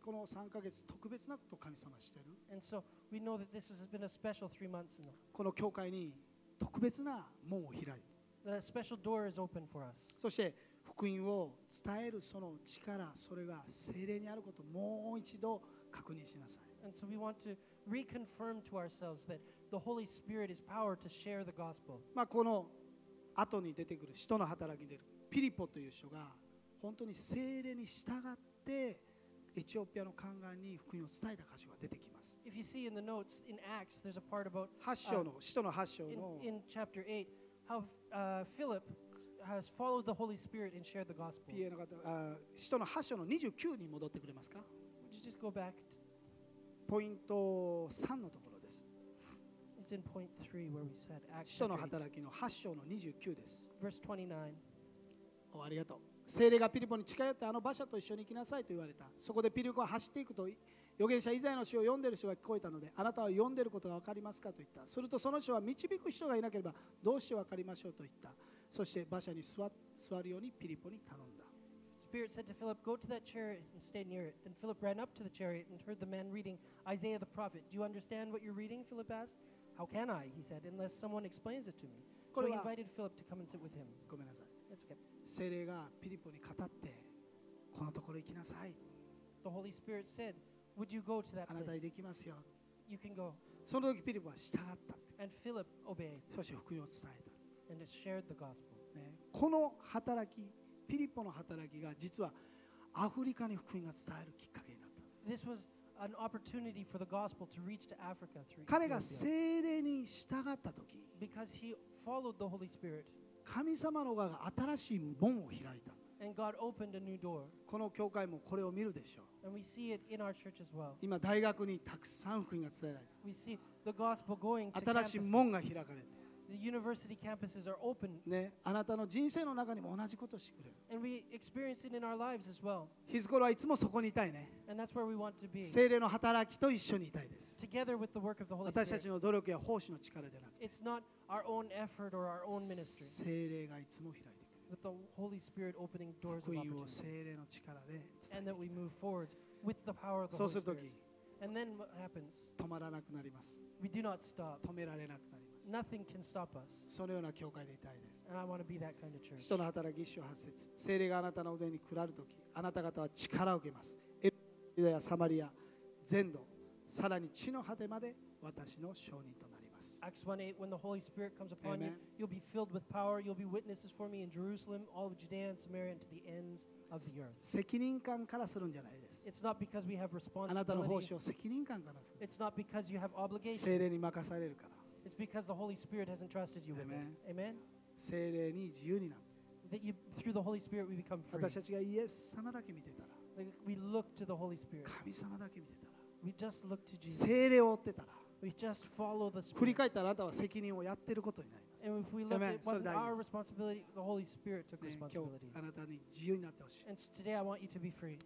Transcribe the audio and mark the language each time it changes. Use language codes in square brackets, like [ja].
[ja] この3ヶ月特別なことを神様してる。 [en] And so we know that this has been a special three months in the. [ja] この教会に。特別な門を開い [en] て、a special door is open for us. [ja] そして福音を伝えるその力、それが聖霊にあることをもう一度確認しなさい。 [en] And so we want to reconfirm to ourselves that the Holy Spirit is power to share the gospel. [ja] まあこの後に出てくる使徒の働きに出るピリポという人が本当に聖霊に従ってエチオピアの宦官に福音を伝えた箇所が出てきます。 [en] If you see in the notes in Acts, there's a part about [ja] 8章の使徒の8章の [en] in chapter 8, how Philip has followed the Holy Spirit and shared the gospel. [ja] PA の方、使徒の8章の29に戻ってくれますか。 [en] Would you just go back? [ja] ポイント3のところです。 [en] It's in point 3 where we said Acts. [ja] 使徒の働きの8章の29です。 [en] Verse 29. [ja] おありがとう。聖霊がピリポに近寄ってあの馬車と一緒に行きなさいと言われた。そこでピリポは走っていくと預言者イザヤの詩を読んでいる人が聞こえたので、あなたは読んでいることが分かりますかと言った。するとその人は導く人がいなければどうして分かりましょうと言った。そして馬車に 座るようにピリポに頼んだ。 [en] Spirit said to Philip, Go to that chariot and stay near it. Then Philip ran up to the chariot and heard the man reading Isaiah the prophet. Do you understand what you're reading? Philip asked. How can I? He said, unless someone explains it to me. So he invited Philip to come and sit with him. [ja] ごめんなさい。 [en] That's okay. [ja] 聖霊がピリポに語ってこのところ行きなさい。 [en] The Holy Spirit said, "Would you go to that place?" [ja] あなたにできますよ。 [en] You can go. [ja] その時ピリポは従った。 [en] And Philip obeyed. [ja] そして福音を伝えた。 [en] And shared the gospel. [ja] ね、この働き、ピリポの働きが実はアフリカに福音が伝えるきっかけになったんです。 [en] This was an opportunity for the gospel to reach to Africa through. [ja] 彼が聖霊に従った時。 [en] Because he followed the Holy Spirit. [ja] 神様の側が新しい門を開いた。 [en] And God opened a new door. [ja] この教会もこれを見るでしょう。 [en] And we see it in our church as well. [ja] 今大学にたくさん福音が伝えられた。 [en] We see the gospel going to [ja] campuses. 新しい門が開かれて。 [en] The university campuses are open. [ja] ね、あなたの人生の中にも同じことをしてくれる。 [en] And we experience it in our lives as well. [ja] 日頃はいつもそこにいたいね。 [en] And that's where we want to be. [ja] 聖霊の働きと一緒にいたいです。 [en] Together with the work of the Holy Spirit. [ja] 私たちの努力や奉仕の力でなくて。 [en] It's not our own effort or our own ministry. [ja] 聖霊がいつも開いてくれる。 [en] But the Holy Spirit opening doors of opportunity. [ja] 福音を聖霊の力で伝えてきた。 [en] And that we move forward with the power of the Holy Spirit. [ja] そうするとき、 [en] And then what happens? [ja] 止まらなくなります。 [en] We do not stop. [ja] 止められなくなります。 [en] Nothing can stop us. [ja] そのような教会でいたいです。 [en] And I want to be that kind of church. [ja] 人の働き一章八節。聖霊があなたの腕に来られるとき、あなた方は力を受けます。エルサレムやサマリア、全土、さらに地の果てまで私の証人となります。 [en] Acts 1:8 When the Holy Spirit comes upon you, you'll be filled with power. You'll be witnesses for me in Jerusalem, all of Judea and Samaria, and to the ends of the earth. [ja] 責任感からするんじゃないです。 [en] It's not because we have responsibility. [ja] あなたの奉仕を責任感からする。 [en] It's not because you have obligation. [ja] 聖霊に任されるから。 [en] It's because the Holy Spirit has entrusted you with it. Amen. [ja] 聖霊に自由になって。 [en] That you, through the Holy Spirit, we become free. [ja] 私たちがイエス様だけ見てたら。 [en] Like、we look to the Holy Spirit. [ja] 神様だけ見てたら。 [en] We just look to Jesus. [ja] 聖霊を追ってたら。 [en] We just follow the Spirit. [ja] 振り返ったらあなたは責任をやってることになります。 [en] And if we look, it wasn't our responsibility. The Holy Spirit took responsibility. And so today I want you to be free.